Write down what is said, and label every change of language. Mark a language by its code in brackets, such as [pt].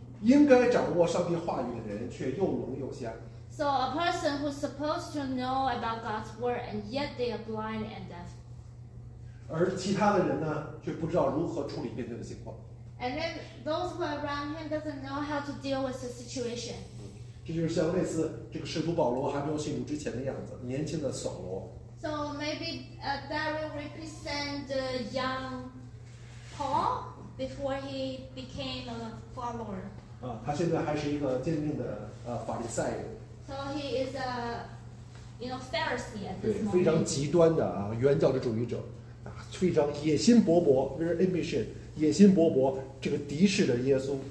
[zh] 应该掌握上帝话语的人却又聋又瞎。 [en] So a person who's supposed to know about God's word and yet they are blind and deaf. [zh] 而其他的人呢，却不知道如何处理面对的情况。 [en] And then those who are around him doesn't know how to deal with the situation. [zh] 这就是像类似这个使徒保罗还没有信主之前的样子，年轻的扫罗。 [en] So maybe that will represent the young Paul. Before he became a follower. [zh] 他现在还是一个坚定的法利赛人。 [en] So he is a, you know, Pharisee at this moment. [zh] 非常极端的啊，原教旨主义者，非常野心勃勃 ， [en] very ambitious, [zh] 野心勃勃，这个敌视的耶稣。